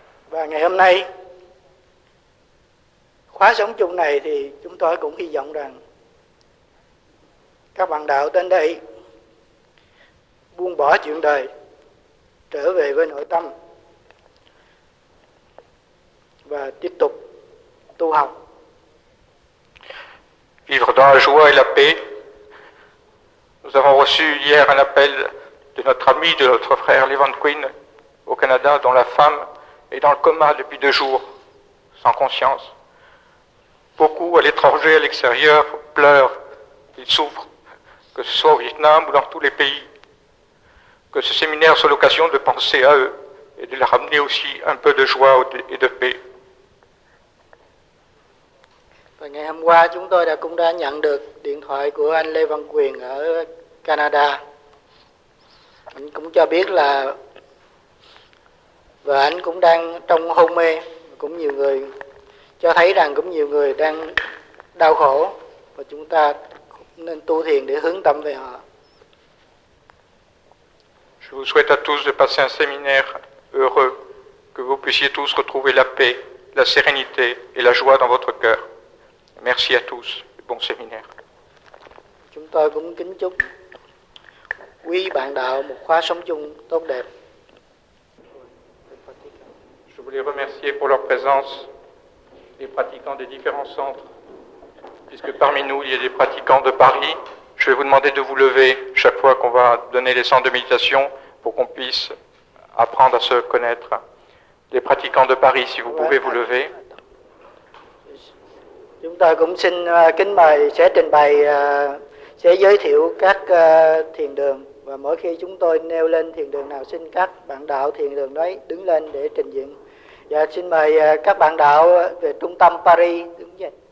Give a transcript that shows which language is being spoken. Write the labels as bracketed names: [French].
[Vietnamese] Và ngày hôm nay khóa sống chung này thì chúng tôi cũng hy vọng rằng các bạn đạo đến đây buông bỏ chuyện đời, trở về với nội tâm và tiếp tục tu học. [French] Vivre dans la joie et la paix. Nous avons reçu hier un appel de notre ami, de notre frère Levan Quinn au Canada, dont la femme est dans le coma depuis 2 jours, sans conscience. Beaucoup à l'étranger, à l'extérieur, pleurent, ils souffrent, que ce soit au Vietnam ou dans tous les pays. Que ce séminaire soit l'occasion de penser à eux et de leur ramener aussi un peu de joie et de paix. [Vietnamese] Và ngày hôm qua chúng tôi cũng đã nhận được điện thoại của anh Lê Văn Quyền ở Canada. Anh cũng cho biết là và anh cũng đang trong hôn mê, cũng nhiều người cho thấy rằng cũng nhiều người đang đau khổ và chúng ta nên tu thiền để hướng tâm về họ. [French] Je vous souhaite à tous de passer un séminaire heureux, que vous puissiez tous retrouver la paix, la sérénité et la joie dans votre cœur. Merci à tous et bon séminaire. [Vietnamese] Chúng tôi cũng kính chúc quý bạn đạo một khóa sống chung tốt đẹp. [French] Je voulais remercier pour leur présence les pratiquants des différents centres, puisque parmi nous il y a des pratiquants de Paris. Je vais vous demander de vous lever chaque fois qu'on va donner les centres de méditation pour qu'on puisse apprendre à se connaître. Les pratiquants de Paris, si vous pouvez vous lever. [Vietnamese] Chúng tôi cũng xin kính mời sẽ trình bày, sẽ giới thiệu các thiền đường, và mỗi khi chúng tôi nêu lên thiền đường nào, xin các bạn đạo thiền đường đấy đứng lên để trình diện. Và xin mời các bạn đạo về trung tâm Paris đứng dậy.